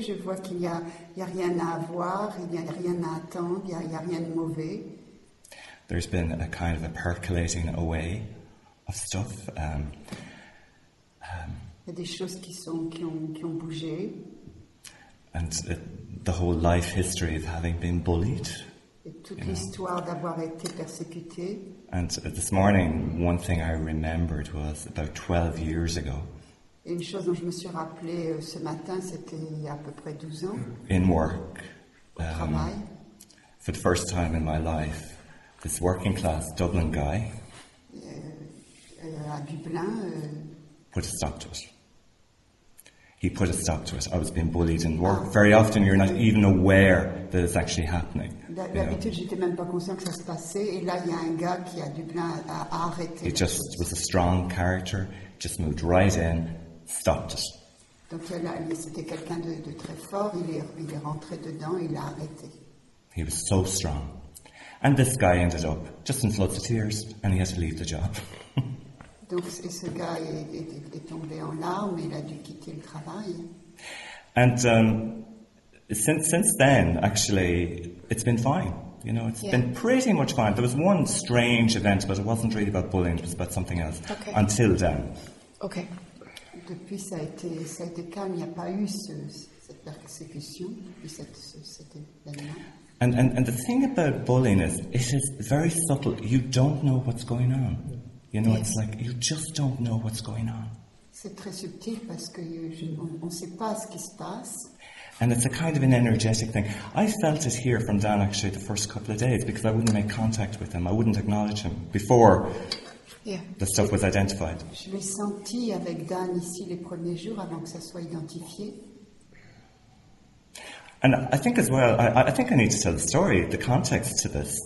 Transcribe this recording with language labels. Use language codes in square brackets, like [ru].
[fr] Je vois qu'il y a rien à avoir, il y a rien à attendre, il y a rien de mauvais. [en] There's been a kind of a percolating away of stuff. [fr] Il y a des choses qui ont bougé. [en] And the whole life history of having been bullied. [fr] Et toute l'histoire d'avoir été persécuté. [en] And this morning, one thing I remembered was about 12 years ago. [fr] Une chose dont je me suis rappelé ce matin, c'était il y a à peu près 12 ans. [en] In work, [fr] au travail. [en] For the first time in my life, this working class Dublin guy [fr] à Dublin [en] put a stop to it. he put a stop to it. I was being bullied in work. Very often you're not even aware that it's actually happening. [fr] D'habitude, j'étais même pas conscient que ça se passait. Et là, il y a un gars qui a du plein à arrêter. [en] It just was a strong character, just moved right in, stopped it. [fr] Donc là, c'était quelqu'un de très fort. Il est rentré dedans, il a arrêté. [en] He was so strong. And this guy ended up just in floods of tears, and he had to leave the job. [fr] Donc, et ce gars est tombé en larmes, il a dû quitter le travail. [en] And since then, actually, it's been fine. You know, it's been pretty much fine. There was one strange event, but it wasn't really about bullying, it was about something else. Okay. Until then. Okay. [fr] Depuis, ça a été calme, il n'y a pas eu cette persécution, puis cet événement. [en] And the thing about bullying is, it is very subtle. You don't know what's going on. You know, it's like you just don't know what's going on. [fr] C'est très subtil parce que on sait pas ce qui se passe. [en] And it's a kind of an energetic thing. I felt it here from Dan actually the first couple of days because I wouldn't make contact with him. I wouldn't acknowledge him before the stuff was identified. [fr] Je l'ai senti avec Dan ici les premiers jours avant que ça soit identifié. [en] And I think as well, I think I need to tell the story, the context to this.